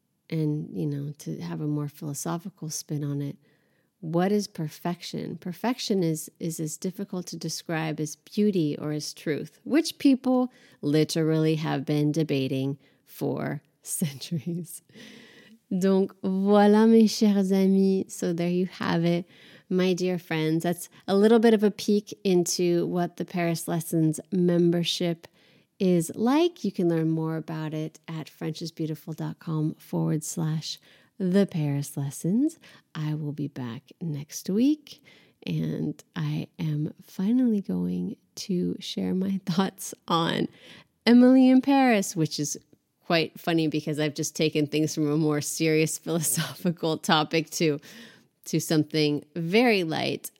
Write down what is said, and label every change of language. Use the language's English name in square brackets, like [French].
[English] And, you know, to have a more philosophical spin on it, what is perfection? Perfection is as difficult to describe as beauty or as truth, which people literally have been debating for centuries. [French] Donc, voilà, mes chers amis. [English] So there you have it, my dear friends. That's a little bit of a peek into what the Paris Lessons membership is like. You can learn more about it at frenchisbeautiful.com/theParisLessons. I will be back next week, and I am finally going to share my thoughts on Emily in Paris, which is quite funny because I've just taken things from a more serious philosophical topic to something very light.